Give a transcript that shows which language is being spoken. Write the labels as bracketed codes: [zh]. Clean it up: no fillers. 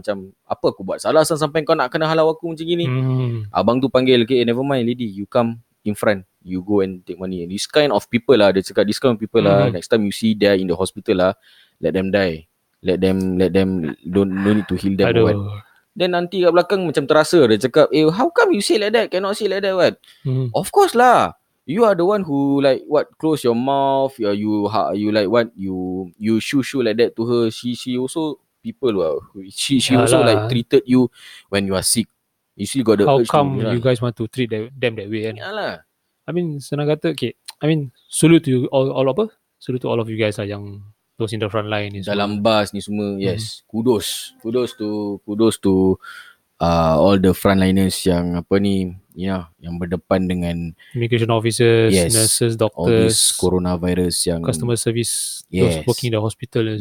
[ms] Macam, apa aku buat salah sampai kau nak kena halau aku macam gini. Abang tu panggil, [en] okay, never mind lady, you come in front, you go and take money. And this kind of people lah, [ms] dia cakap [en] this kind of people lah, next time you see they in the hospital lah, let them die, let them don't need to heal them. [ms] Aduh. [en] Then [ms] nanti kat belakang macam terasa, dia cakap, [en] eh, how come you say like that, cannot say like that, what? Of course lah, you are the one who like what, close your mouth, you like what, you shoo like that to her. She also people lah, she also like treated you when you are sick. You still got the how come to, you lah guys want to treat them that way? [ms] Yalah. [en] I mean, [ms] senang kata, [en] okay, I mean, salute to you all apa? Salute to all of you guys lah yang those in the front line. [ms] Dalam bus ni semua, yes. [en] Kudos to all the frontliners [ms] yang apa ni, ya, yeah, yang berdepan dengan [en] immigration officers, yes, nurses, doctors, all this coronavirus yang customer service, yes, those working in the hospital as